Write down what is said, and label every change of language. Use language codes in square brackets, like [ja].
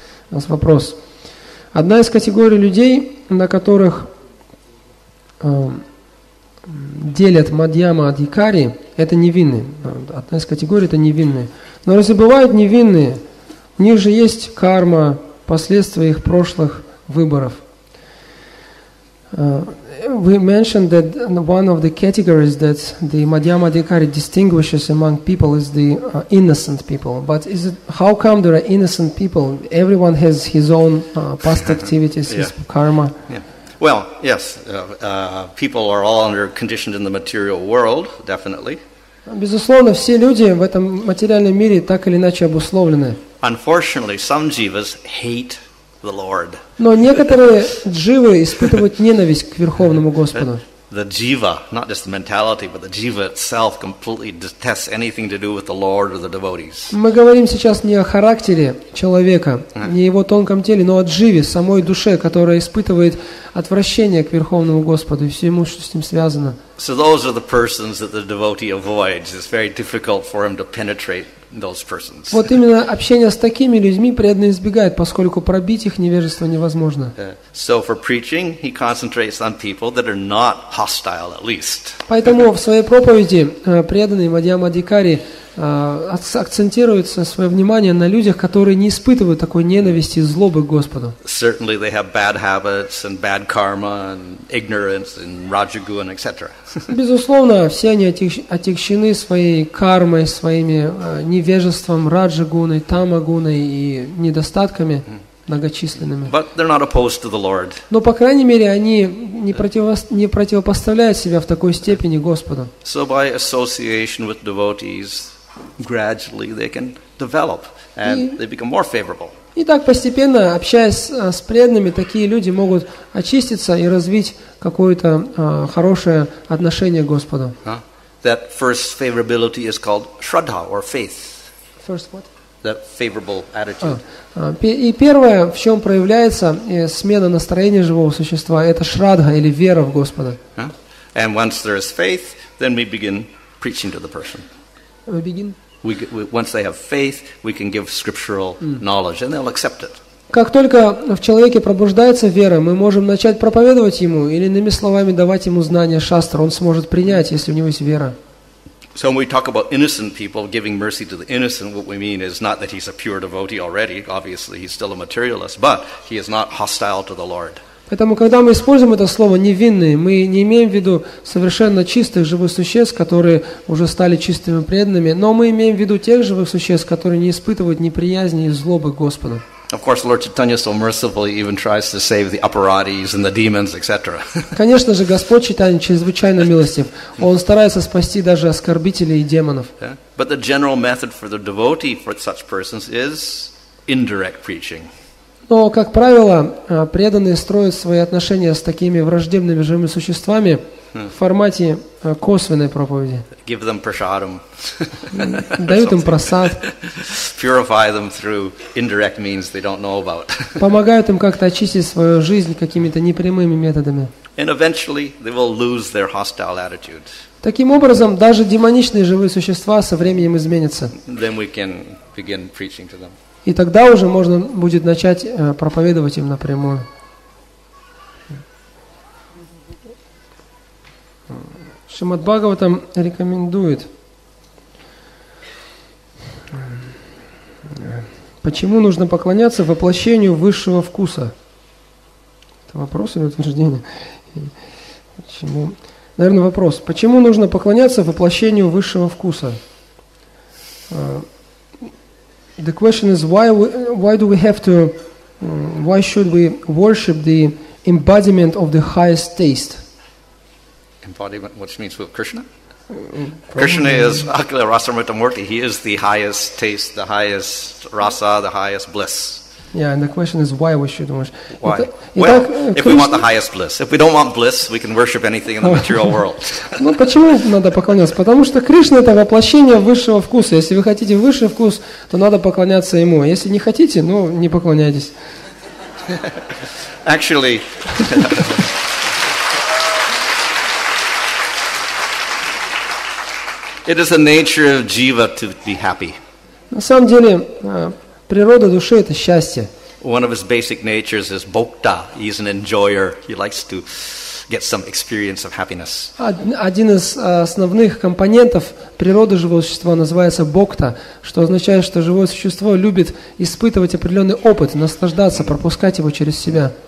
[ru] У нас вопрос. Одна из категорий людей, на которых делят мадьяма адхикари, это невинные. Одна из категорий – это невинные. Но разве бывают невинные? У них же есть карма, последствия их прошлых выборов. [en] We mentioned that one of the categories that the Madhyama Adhikari distinguishes among people is the innocent people. But is it, how come there are innocent people? Everyone has his own past activities, his karma. Yeah. Well, yes, people are all under conditioned in the material world, definitely. [ru] Безусловно, все люди в этом материальном мире так или иначе обусловлены. [en] Unfortunately, some jivas hate the Lord. [ru] Но некоторые дживы испытывают ненависть к Верховному Господу. [en] The jiva, not just the mentality, but the jiva itself completely detests anything to do with the Lord or the devotees. [ru] Мы говорим сейчас не о характере человека, не о его тонком теле, но о дживе, самой душе, которая испытывает отвращение к Верховному Господу и всему, что с ним связано. [en] So those are the persons that the devotee avoids. It's very difficult for him to penetrate those persons. [ru] Вот именно общение с такими людьми преданный избегает, поскольку пробить их невежество невозможно. [en] So for preaching, he concentrates on people that are not hostile, at least. [ru] Поэтому в своей проповеди преданный Мадьяма Адхикари акцентирует свое внимание на людях, которые не испытывают такой ненависти и злобы к Господу. [en] Certainly they have bad habits and bad karma and ignorance and rajaguna and etc. [ru] Безусловно, все они отягчены своей кармой, своими невежеством, раджа-гуной, тама-гуной и недостатками. многочисленными. [en] But they're not opposed to the Lord. [ru] Но, по крайней мере, они не противопоставляют себя в такой степени Господу. [en] So by association with devotees, gradually they can develop and they become more favorable. [ru] И так постепенно, общаясь с преданными, такие люди могут очиститься и развить какое-то хорошее отношение к Господу. [en] That first favorability is called shraddha or faith. First what? That favorable attitude. [ru] И первое, в чем проявляется смена настроения живого существа, это шраддха или вера в Господа. [en] And once there is faith, then we begin preaching to the person. We begin. Once they have faith, we can give scriptural knowledge, and they'll accept it. [ru] Как только в человеке пробуждается вера, мы можем начать проповедовать ему, или иными словами давать ему знания шастр. Он сможет принять, если у него есть вера. [en] So when we talk about innocent people giving mercy to the innocent, what we mean is not that he's a pure devotee already. Obviously, he's still a materialist, but he is not hostile to the Lord. [ru] Поэтому, когда мы используем это слово «невинные», мы не имеем в виду совершенно чистых живых существ, которые уже стали чистыми преданными, но мы имеем в виду тех живых существ, которые не испытывают неприязни и злобы к Господу. [en] Of course, Lord Chaitanya so mercifully even tries to save the aparatis and the demons, etc. [ru] Конечно же, Господь Чайтанья чрезвычайно милостив. Он старается спасти даже оскорбителей и демонов. [en] But the general method for the devotee for such persons is indirect preaching. [ru] Но, как правило, преданные строят свои отношения с такими враждебными живыми существами в формате косвенной проповеди. [en] Give them prasadam. [ru] Дают им прасад. [en] Purify them through indirect means they don't know about. [ru] Помогают им как-то очистить свою жизнь какими-то непрямыми методами. [en] And eventually they will lose their hostile attitude. [ru] Таким образом, даже демоничные живые существа со временем изменятся. [en] Then we can begin preaching to them. [ru] И тогда уже можно будет начать проповедовать им напрямую. Шримад Бхагаватам рекомендует, почему нужно поклоняться воплощению высшего вкуса. Это вопрос или утверждение? Почему? Наверное, вопрос. Почему нужно поклоняться воплощению высшего вкуса? [en] The question is why should we worship the embodiment of the highest taste? Embodiment, which means with Krishna? Krishna is Akhila Rasamrita Murti. He is the highest taste, the highest rasa, the highest bliss. Yeah, and the question is why we should worship. Why? If we want the highest bliss. If we don't want bliss, we can worship anything in the material world. [ru] Ну почему надо поклоняться? Потому что Кришна это воплощение высшего вкуса. Если вы хотите высший вкус, то надо поклоняться ему. Если не хотите, ну не поклоняйтесь. [en] Actually. It is the nature of jiva to be happy. [ru] На самом деле, природа души – это счастье. [en] One of his basic natures is bhokta. He's an enjoyer. He likes to get some experience of happiness. [ru] Один из основных компонентов природы живого существа называется бхокта, что означает, что живое существо любит испытывать определенный опыт, наслаждаться, пропускать его через себя.